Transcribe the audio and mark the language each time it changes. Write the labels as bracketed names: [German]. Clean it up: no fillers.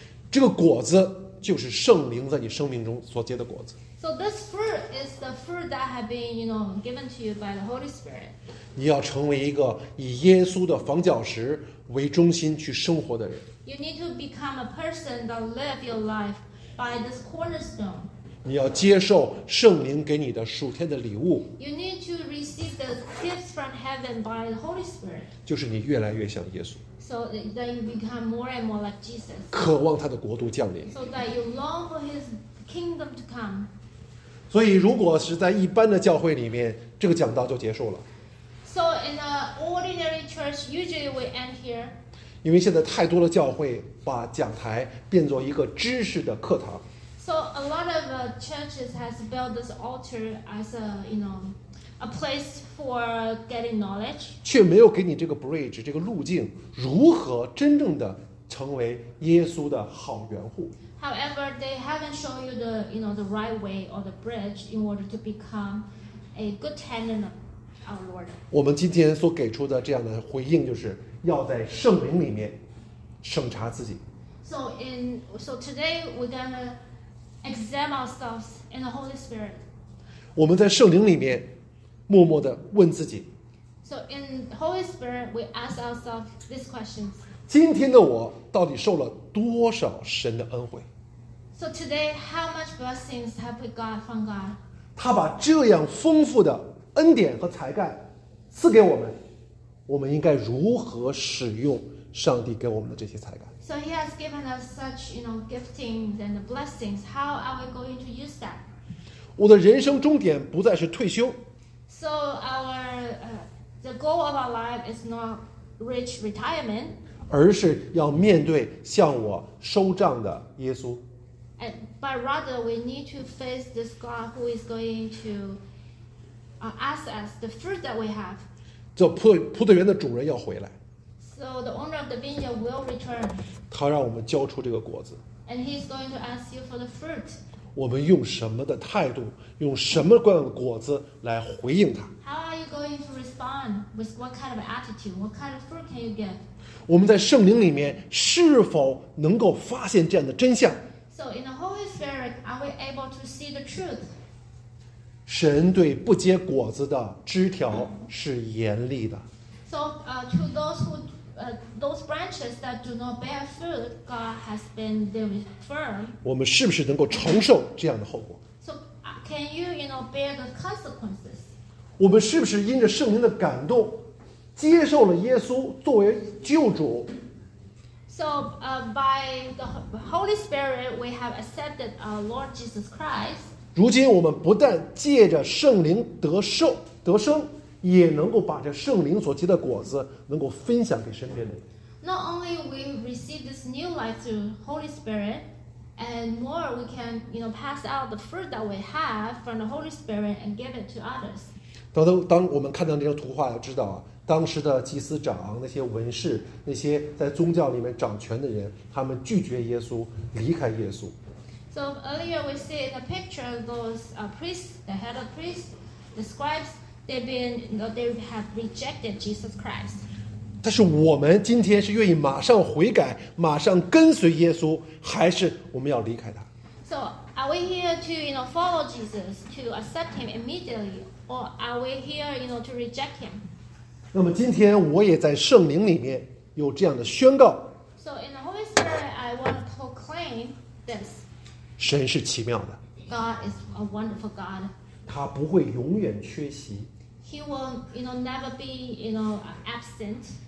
[Chinese] 这个果子就是圣灵在你生命中所结的果子。 [English] So this fruit is the fruit that has been, you know, given to you by the Holy Spirit. [Chinese] 你要成为一个以耶稣的房角石为中心去生活的人。 [English] You need to become a person that live your life by this cornerstone. [Chinese] 你要接受圣灵给你的属天的礼物。 [English] You need to receive the gifts from heaven by the Holy Spirit. [Chinese] 就是你越来越像耶稣。 [English] So that you become more and more like Jesus. [Chinese] 渴望他的国度降临。 [English] So that you long for his kingdom to come. [Chinese] 所以如果是在一般的教会里面，这个讲道就结束了。 [English] So in an ordinary church, usually we end here. [Chinese] 因为现在太多的教会把讲台变作一个知识的课堂。 [English] So a lot of churches has built this altar as a place for getting knowledge. [Chinese] 却没有给你这个 bridge, 这个路径，如何真正的成为耶稣的好园户。 [English] However, they haven't shown you the, you know, the right way or the bridge in order to become a good tenant of our Lord. [Chinese] 我们今天所给出的这样的回应就是要在圣灵里面审查自己。 [English] So today we're going to examine ourselves in the Holy Spirit. [Chinese] 我们在圣灵里面默默地问自己。 [English] So in Holy Spirit, we ask ourselves these questions. [Chinese] 今天的我到底受了多少神的恩惠？ [English] So today, how much blessings have we got from God? [Chinese] 他把这样丰富的恩典和才干赐给我们，我们应该如何使用上帝给我们的这些才干？ [English] So he has given us such, you know, giftings and blessings. How are we going to use that? [Chinese] 我的人生终点不再是退休。 [English] So our the goal of our life is not rich retirement, [Chinese] 而是要面对向我收账的耶稣。 [English] But rather, we need to face this God who is going to ask us the fruit that we have. [Chinese] 这葡萄园的主人要回来。 [English] So the owner of the vineyard will return. [Chinese] 他让我们交出这个果子。 [English] And he's going to ask you for the fruit. [Chinese] 我们用什么的态度，用什么样的果子来回应他？ [English] How are you going to respond with what kind of attitude? What kind of fruit can you give? [Chinese] 我们在圣灵里面是否能够发现这样的真相？ [English] So in the Holy Spirit, are we able to see the truth? [Chinese] 神对不结果子的枝条是严厉的。 [English] So to those who those branches that do not bear fruit, God has been very firm. [Chinese] 我们是不是能够承受这样的后果？ [English] So can you, you know, bear the consequences? [Chinese] 我们是不是因着圣灵的感动，接受了耶稣作为救主？ [English] So by the Holy Spirit, we have accepted our Lord Jesus Christ. [Chinese] 如今我们不但借着圣灵得受得生，也能够把这圣灵所结的果子能够分享给身边的人。 [English] Not only we receive this new life through Holy Spirit, and more we can, you know, pass out the fruit that we have from the Holy Spirit and give it to others. [Chinese] 当我们看到这张图画，要知道啊，当时的祭司长、那些文士、那些在宗教里面掌权的人，他们拒绝耶稣，离开耶稣。 [English] So earlier we see in the picture those priests, the head of priests, the scribes, they've been, you know, they have rejected Jesus Christ. [Chinese] 但是我们今天是愿意马上悔改，马上跟随耶稣，还是我们要离开他？ [English] So are we here to, you know, follow Jesus, to accept him immediately, or are we here, you know, to reject him? [Chinese] 那么今天我也在圣灵里面有这样的宣告。 [English] So in the Holy Spirit, I want to proclaim this. [Chinese] 神是奇妙的。 [English] God is a wonderful God. [Chinese] 他不会永远缺席。 [English] He will, you know, never be, you know, absent.